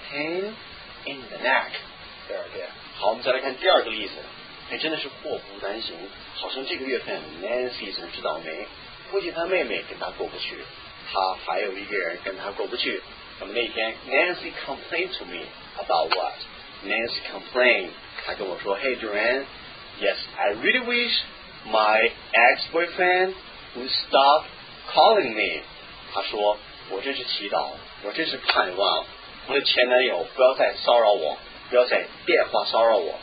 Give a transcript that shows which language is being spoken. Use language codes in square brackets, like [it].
[en] Pain in the neck. [zh] 第二遍，好，我们再来看第二个例子。哎，真的是祸不单行，好像这个月份 Nancy 总是倒霉，估计她妹妹跟她过不去，她还有一个人跟她过不去。那么那天 [en] Nancy complained to me about what? Nancy complained. [zh] 她跟我说 [en] ，Hey Duran, yes, I really wish my ex-boyfriend would stop calling me. [zh] 她说，我真是祈祷，我真是盼望。我的前男友不要再骚扰我，不要再电话骚扰我。